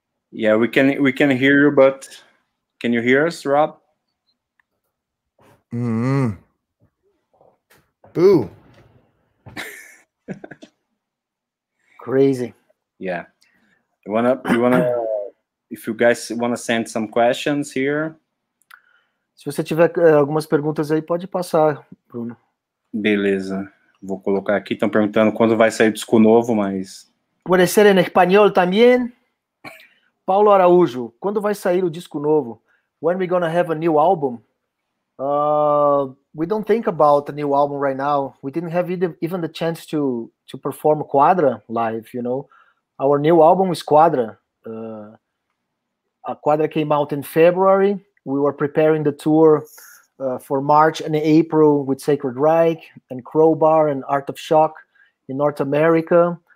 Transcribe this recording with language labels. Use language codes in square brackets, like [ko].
[en] Yeah, we can hear you, but can you hear us, Rob? Mm-hmm. Boo. Crazy. Yeah. If you guys wanna send some questions here. [pt] Se você tiver algumas perguntas aí, pode passar, Bruno. Beleza. Vou colocar aqui. Estão perguntando quando vai sair o disco novo, mas. [es] Puede ser en español también. [pt] Paulo Araújo, quando vai sair o disco novo? [en] When we gonna have a new album? We don't think about a new album right now. We didn't have even the chance to perform QUADRA live, you know. Our new album is QUADRA. QUADRA came out in February. We were preparing the tour for March and April with Sacred Reich and Crowbar and Art of Shock in North America.